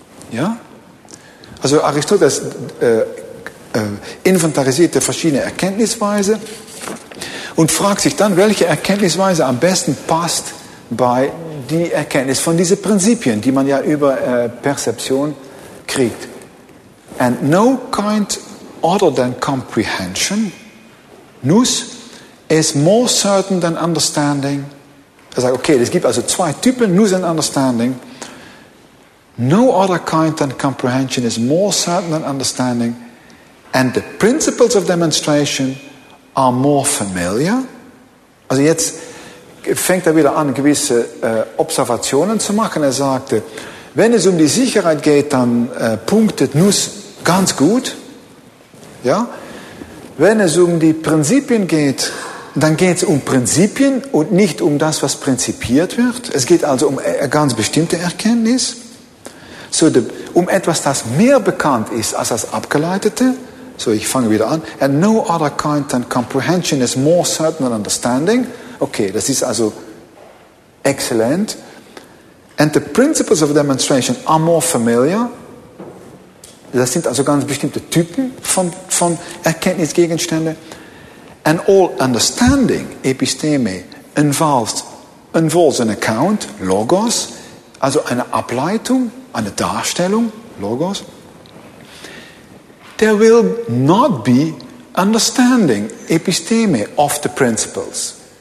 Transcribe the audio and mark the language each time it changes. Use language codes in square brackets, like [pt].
[de] Ja? Also Aristoteles inventarisierte verschiedene Erkenntnisweise und fragt sich dann, welche Erkenntnisweise am besten passt bei die Erkenntnis von diesen Prinzipien, die man ja über Perzeption kriegt. [en] And no kind other than comprehension, nous, is more certain than understanding. [de] Er sagt, okay, es gibt also zwei Typen, [en] nous and understanding. No other kind than comprehension is more certain than understanding, and the principles of demonstration are more familiar. [de] Also jetzt fängt er wieder an, gewisse Observationen zu machen. Er sagte, wenn es um die Sicherheit geht, dann punktet Nuss ganz gut. Ja? Wenn es um die Prinzipien geht, dann geht es um Prinzipien und nicht um das, was prinzipiert wird. Es geht also um eine ganz bestimmte Erkenntnis. So, um etwas, das mehr bekannt ist als das Abgeleitete. So, ich fange wieder an. [en] And no other kind than comprehension is more certain than understanding. [de] Okay, das ist also exzellent. [en] And the principles of demonstration are more familiar. [de] Das sind also ganz bestimmte Typen von Erkenntnisgegenständen. [en] And all understanding, episteme, involves an account, logos, [de] also eine Ableitung. Eine Darstellung, [en] Logos. There will not be understanding, episteme, of the principles.